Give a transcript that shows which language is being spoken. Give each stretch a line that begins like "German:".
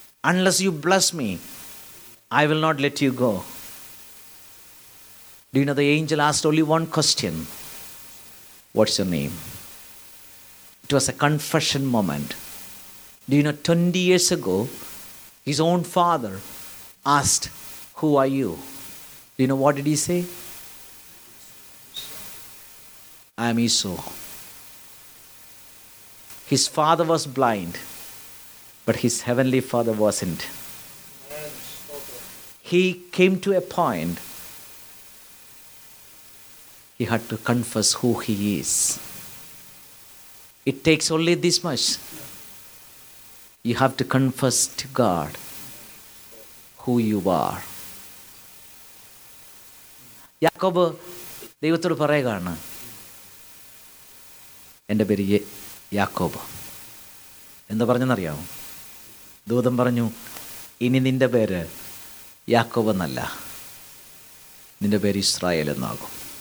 English: Unless you bless me, I will not let you go. Do you know the angel asked only one question? What's your name? It was a confession moment. Do you know 20 years ago, his own father asked, who are you? Do you know what did he say? I am Esau. His father was blind. But his heavenly Father wasn't. He came to a point, he had to confess who he is. It takes only this much. You have to confess to God who you are.
Malayalam: Jacob, ദൈവത്തോട് പറയുകയാണ്, എൻ്റെ പേര് യാക്കോബ്. എന്താ പറഞ്ഞെന്നറിയാമോ? ദൂതം പറഞ്ഞു, ഇനി നിൻ്റെ പേര് യാക്കോബ് എന്നല്ല, നിൻ്റെ പേര് ഇസ്രായേൽ എന്നാകും.